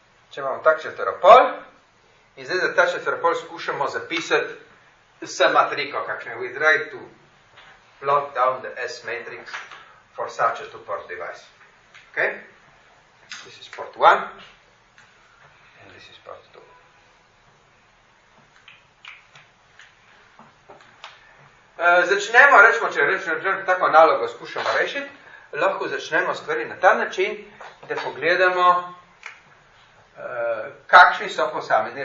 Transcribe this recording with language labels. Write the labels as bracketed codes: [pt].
[sl] Če imamo tak četveropol, in zdaj za ta četveropol skušamo zapisati S matriko, kakšne. [en] We try to plot down the S matrix for such a two-port device. Ok? This is port 1, and this is port 2. [sl] Začnemo, rečemo, če rečemo tako nalogo skušamo rešiti, lahko začnemo stvari na ta način, da pogledamo kakšni so posamezni.